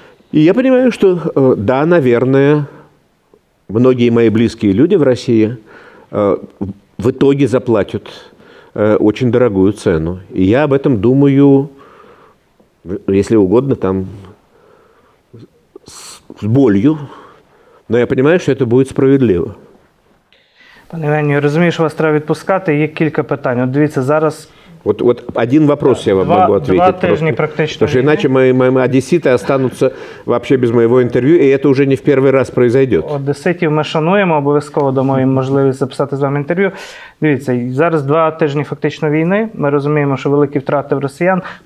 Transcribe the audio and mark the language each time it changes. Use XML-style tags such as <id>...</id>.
<ru>И я понимаю, что да, наверное, многие мои близкие люди в России в итоге заплатят очень дорогую цену. И я об этом думаю, если угодно, там с болью, но я понимаю, что это будет справедливо.</ru> <uk>Пане Євгенію, розумію, що вас треба відпускати. Є кілька питань. От дивіться, зараз...</uk> <ru>От один вопрос, да, я вам могу ответить.</ru> <uk>Два тижні просто, практично. Тому іначе мої одесити остануться вообще без моєго інтерв'ю, і це вже не в перший раз произойде. Одеситів ми шануємо, обов'язково дамо їм можливість записати з вами інтерв'ю. Дивіться, зараз два тижні фактично війни. Ми розуміємо, що великі втрати в росіян.</uk>